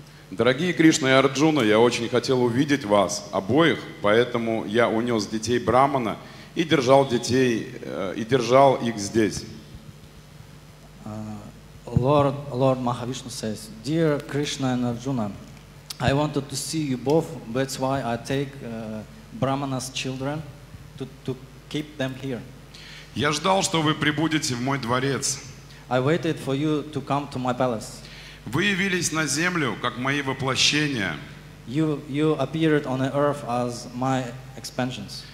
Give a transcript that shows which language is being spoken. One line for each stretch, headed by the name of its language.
Russian: Дорогие Кришна и Арджуна, я очень хотел увидеть вас обоих, поэтому я унес детей Брахмана и держал детей и держал их здесь.
English: Lord Mahavishnu says, dear Krishna and Arjuna, I wanted to see you both, that's why I take Brahmana's children to keep them here.
Russian: Я ждал, что вы прибудете в мой дворец.
English: I waited for you to come to my palace.
Russian: Вы явились на землю, как мои воплощения,
English: you appeared on the earth as my expansions,